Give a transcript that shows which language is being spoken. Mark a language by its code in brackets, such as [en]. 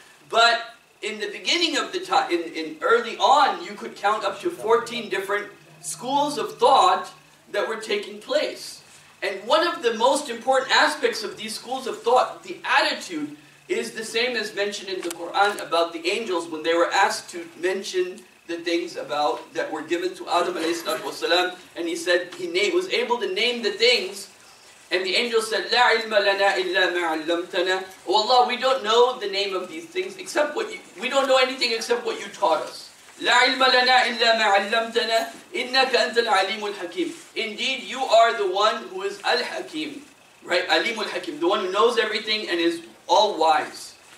[en] But in the beginning of the time, in early on, you could count up to 14 different schools of thought that were taking place. And one of the most important aspects of these schools of thought, the attitude, is the same as mentioned in the Quran about the angels when they were asked to mention the things about that were given to Adam a.s. And he said he was able to name the things. And the angel said, [ar] لَا عِلْمَ لَنَا إِلَّا مَا عَلَّمْتَنَا. [en] Oh Allah, we don't know the name of these things except what you, we don't know anything except what you taught us. [ar] لَا عِلْمَ لَنَا إِلَّا مَا عَلَّمْتَنَا إِنَّكَ أَنْتَ الْعَلِيمُ الْحَكِيمُ. [en] Indeed, you are the one who is al-Hakim. Right? Alimul Hakim, the one who knows everything and is all wise.